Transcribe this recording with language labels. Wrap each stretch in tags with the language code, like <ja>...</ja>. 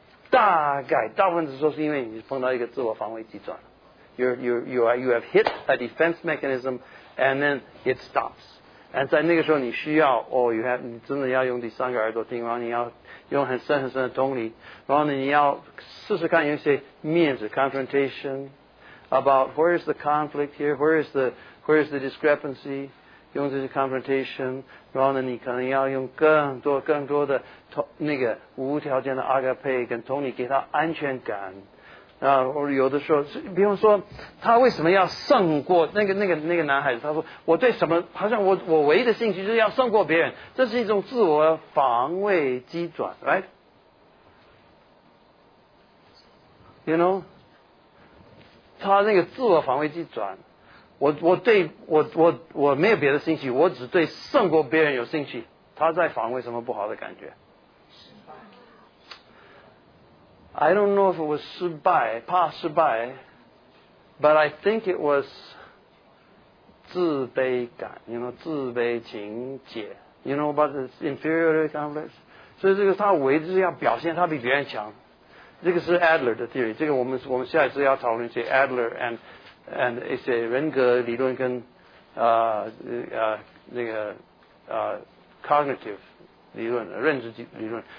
<zh>大概大部分是说是因为你碰到一个自我防卫机转。</zh> <en>You have hit a defense mechanism and then it stops. And</en> <zh>在那个时候你需要你真的要用第三个耳朵听，然后你要用很深很深的同理，然后你要试试看有些面子</zh> <en>confrontation about where is the conflict here, where is the discrepancy.</en> <zh>用这些 confrontation， 然后呢，你可能要用更多更多的那个无条件的 agape 跟同理，给他安全感。啊，我有的时候，比方说，他为什么要胜过那个男孩子？他说，我对什么好像我唯一的兴趣就是要胜过别人，这是一种自我防卫机转 ，</zh> <en>right？ You know，</en> <zh>他那个自我防卫机转。我没有别的兴趣，我只对胜过别人有兴趣。他在防卫什么不好的感觉？失败。</zh> <en>I don't know if it was</en> <zh>失败，怕失败</zh> <en>，but I think it was</en> <zh>自卑感</zh> <en>，you know，</en> <zh>自卑情结</zh> <en>，you know about the inferiority complex。</en> <zh>所以这个他唯一是要表现他比别人强。这个是 Adler 的 theory， 这个我们下一次要讨论一些 Adler and 一些人格理论跟cognitive 理论认知理论。</zh>